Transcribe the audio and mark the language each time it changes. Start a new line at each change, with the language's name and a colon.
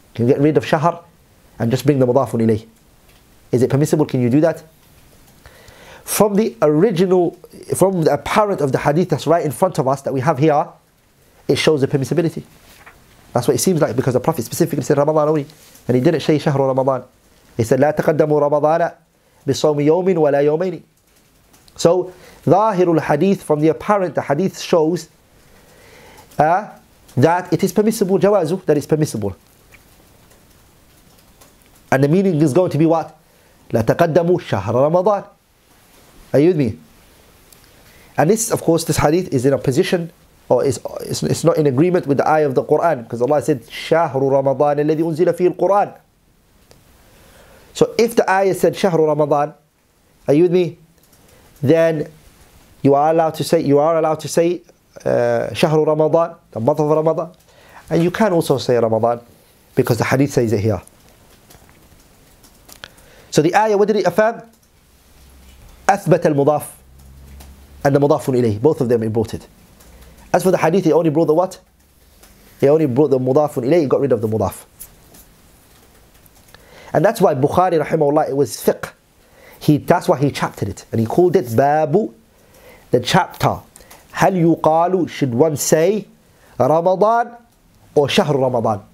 English: Can we get rid of Shahr and just bring the Mudaf on ilayh? Is it permissible? Can you do that? From the original, from the apparent of the hadith that's right in front of us that we have here, it shows the permissibility. That's what it seems like, because the Prophet specifically said Ramadan only, and he didn't say Shahru Ramadan. He said,
Arabic: لا تقدموا رمضان بصوم يوم ولا يومين.
English: So,
Arabic: ظاهر الحديث,
English: from the apparent, the hadith shows that it is permissible,
Arabic: جوازه,
English: that it's permissible. And the meaning is going to be what?
Arabic: لَتَقَدَّمُوا شَهْرَ رَمَضَانِ.
English: Are you with me? And this, of course, this hadith is in opposition, or it's not in agreement with the ayah of the Qur'an, because Allah said,
Arabic: شَهْرُ رَمَضَانِ الَّذِي أُنزِلَ فِيهِ الْقُرْآنِ.
English: So if the ayah said شهر رمضان, are you with me? Then you are allowed to say, شهر رمضان, the month of Ramadan. And you can also say Ramadan because the hadith says it here. So the ayah, what did it affirm?
Arabic: أثبت المضاف
English: and the
Arabic: مضاف إليه.
English: Both of them it brought it. As for the hadith, it only brought the what? It only brought the مضاف إليه, it got rid of the مضاف. And that's why Bukhari, rahimahullah, it was fiqh. That's why he chaptered it. And he called it Babu, the chapter.
Arabic: هل يقال,
English: should one say Ramadan or شهر رمضان?